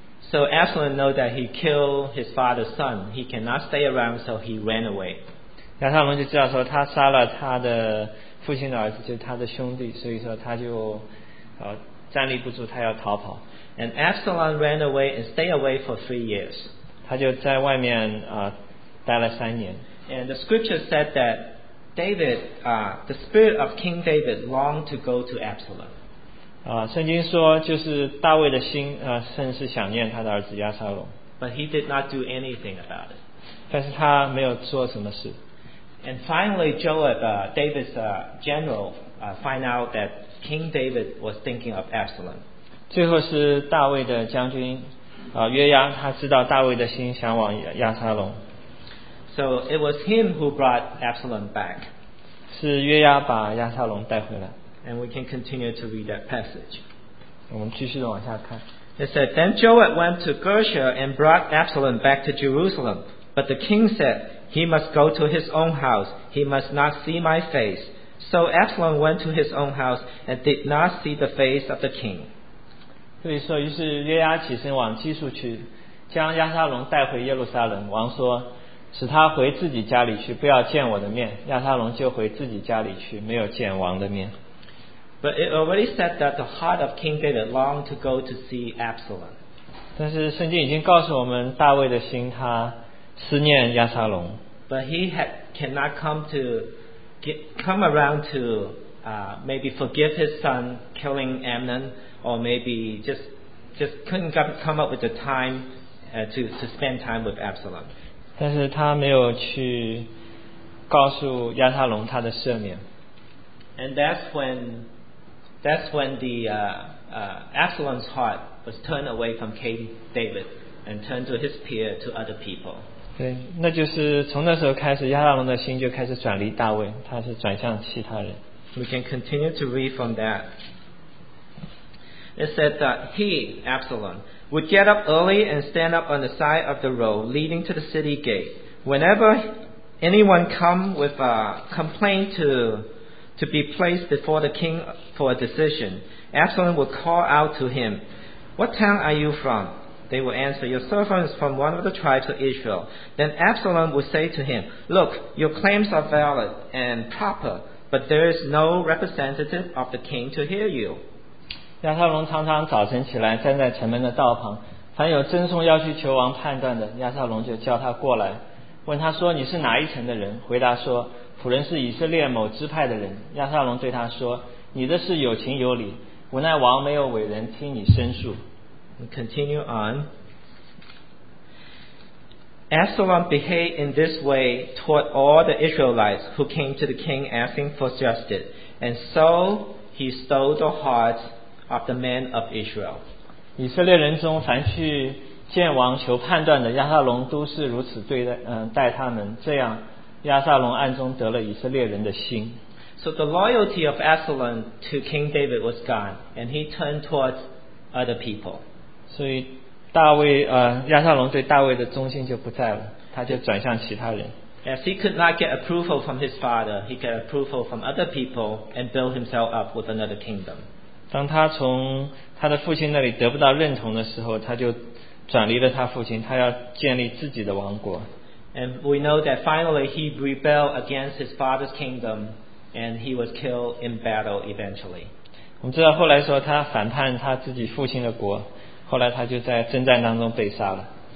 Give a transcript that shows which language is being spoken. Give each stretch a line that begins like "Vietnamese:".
English: So Absalom knew that he killed his father's son. He cannot stay around, so he ran away.
Chinese: 亚撒龙就知道说他杀了他的父亲的儿子，就是他的兄弟，所以说他就站立不住，他要逃跑。
English: And Absalom ran away and stayed away for 3 years.
Chinese: 他就在外面待了三年。
English: And the scripture said that David, the spirit of King David longed to go to Absalom.
Chinese: 圣经说就是大卫的心甚是想念他的儿子亚撒龙。
English: But he did not do anything about it.
Chinese: 但是他没有做什么事。
English: And finally, Joab, David's general, find out that King David was thinking of Absalom.
Chinese: 最后是大卫的将军约押，他知道大卫的心想往亚撒龙。
English: So it was him who brought Absalom back.
Chinese: 是约押把亚撒龙带回来。
English: And we can continue to read that passage.
Chinese: 我们继续的往下看。
English: It said, Then Joab went to Gershah and brought Absalom back to Jerusalem. But the king said, He must go to his own house. He must not see my face. So Absalom went to his own house and did not see the face of the king.
Chinese: 这里说，于是约押起身往基述去，将亚撒龙带回耶路撒冷。王说，使他回自己家里去，不要见我的面。亚撒龙就回自己家里去，没有见王的面。
English: But it already said that the heart of King David longed to go to see Absalom.
Chinese: 但是圣经已经告诉我们，大卫的心他思念亚撒龙。
English: But he had cannot come to come around to maybe forgive his son killing Amnon, or maybe just couldn't come up with the time to spend time with Absalom.
Chinese: 但是他没有去告诉亚撒龙他的赦免。
English: And that's when the Absalom's heart was turned away from King David and turned to his peer to other people.
Chinese: 对，那就是从那时候开始，亚撒龙的心就开始转离大卫，他是转向其他人。
English: We can continue to read from that. It said that he, Absalom, would get up early and stand up on the side of the road leading to the city gate. Whenever anyone come with a complaint to be placed before the king for a decision, Absalom would call out to him, What town are you from? They would answer, Your servant is from one of the tribes of Israel. Then Absalom would say to him, Look, your claims are valid and proper. But there is no representative of the king to hear you.
Chinese: 亚撒龙常常早晨起来站在城门的道旁，凡有争讼要去求王判断的，亚撒龙就叫他过来，问他说：“你是哪一城的人？” 回答说：“仆人是以色列某支派的人。” 亚撒龙对他说：“你的事有情有理，无奈王没有委人听你申诉。”
English: Continue on. Absalom behaved in this way toward all the Israelites who came to the king asking for justice, and so he stole the hearts of the men of Israel.
Chinese: 以色列人中凡去见王求判断的，亚撒龙都是如此对待待他们。这样，亚撒龙暗中得了以色列人的心。
English: So the loyalty of Absalom to King David was gone, and he turned towards other people.
Chinese: 所以。大卫亚撒龙对大卫的忠心就不在了，他就转向其他人。
English: As he could not get approval from his father, he got approval from other people and built himself up with another kingdom.
Chinese: 当他从他的父亲那里得不到认同的时候，他就转离了他父亲，他要建立自己的王国。
English: And we know that finally he rebelled against his father's kingdom and he was killed in battle eventually.
Chinese: 我们知道后来说他反叛他自己父亲的国。后来他就在征战当中被杀了。